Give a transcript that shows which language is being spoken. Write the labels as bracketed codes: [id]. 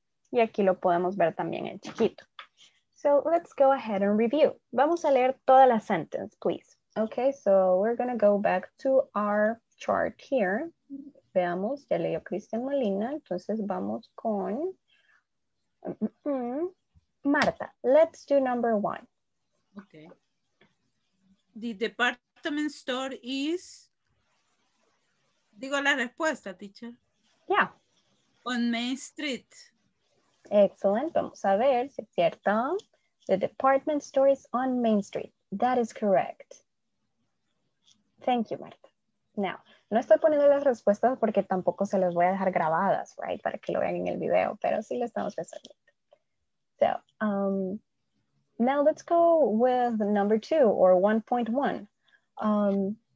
[es] Y aquí lo podemos ver también en chiquito. [en] So let's go ahead and review. Vamos a leer toda la sentence, please. Okay, so we're gonna go back to our chart here. [es] Veamos, ya leyó Cristian Molina, entonces vamos con Marta. [en] Let's do number one. Okay. The department store is, digo la respuesta, teacher. Yeah. On Main Street. Excellent. Vamos a ver si es cierto. The department store is on Main Street. That is correct. Thank you, Marta. [es] Now, no estoy poniendo las respuestas porque tampoco se las voy a dejar grabadas, right, para que lo vean en el video, pero sí lo estamos resolviendo. [en] So, now let's go with number two or 1.1.